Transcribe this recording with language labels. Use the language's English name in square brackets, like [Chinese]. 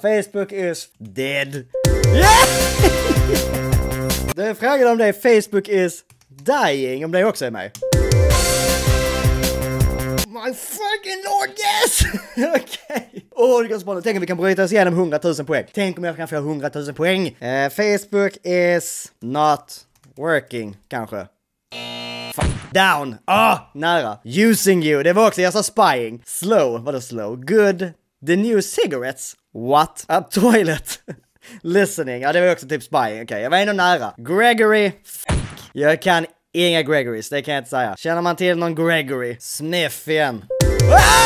[English] Facebook is dead. Yeah! [Swedish] Du frågade om det är [English] Facebook is dying. [Swedish] Om det också är mig. [English] My fucking lord, yes! Okej. Okay. [Swedish] Åh, det går så bra. Tänk om vi kan bryta oss igenom 100 000 poäng. Tänk om jag kan få 100 000 poäng. [English] Facebook is not working, kanske. Down. Ah, nära. Using you. [Swedish] Det var också, jag sa spying. [English] Slow. Vadå slow? Good. The new cigarettes. What? A toilet. Listening. [Swedish] Ja, det var också typ spying. Okej, jag var ändå nära. Gregory. Fuck. Jag kan inga Gregorys. Det kan jag inte säga. Känner man till någon Gregory? Sniff igen. Ja!